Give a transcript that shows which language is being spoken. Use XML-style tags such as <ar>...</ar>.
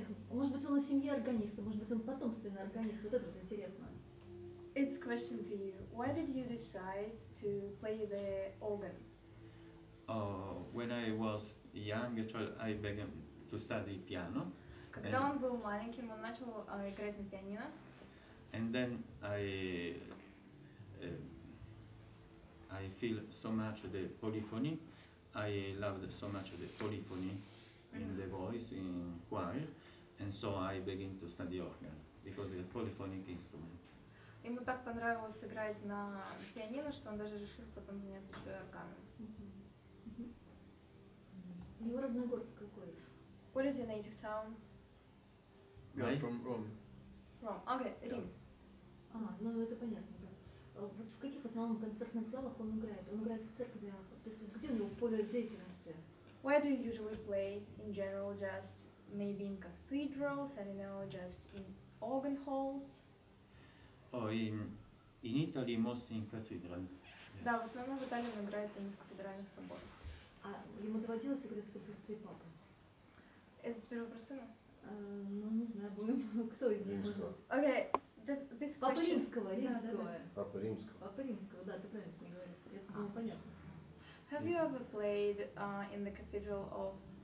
<ru>Может быть, он из семьи органиста, может быть, он потомственный органист. Вот это вот интересно.</ru> <en>It's a question to you. Why did you decide to play the organ? When I was young, I began to study piano.</en> <ru>Когда он был маленьким, он начал играть на пианино.</ru> <en>And then I feel so much the polyphony. I loved so much the polyphony in the voice, in choir, and so I begin to study organ because it's a polyphonic instrument.</en> <ru>Ему так понравилось играть на пианино, что он даже решил потом заняться еще и органом. Его родной город какой?</ru> <en>What is your native town? Yeah, from Rome. Rome, okay, Rim.</en> <ru>Ну это понятно, да. Вот в каких основном концертных залах он играет? Он играет в церквях. То есть где у него поле деятельности?</ru> <en>Where do you usually play in general? Just maybe in cathedrals, I don't know, just in organ halls? Oh, in Italy, mostly in cathedral.</en> <ru>Да, в основном в Италии он играет в кафедральных соборах. А ему доводилось играть в присутствии папы? Это теперь вопрос сына? Ну, не знаю, будем, кто из них может. Окей,</ru> <en>this question...</en> <ru>Папа Римского, Папа Римского. Папа Римского, да, ты правильно говоришь. Это было понятно.</ru> <en>Have you ever played in the cathedral of</en>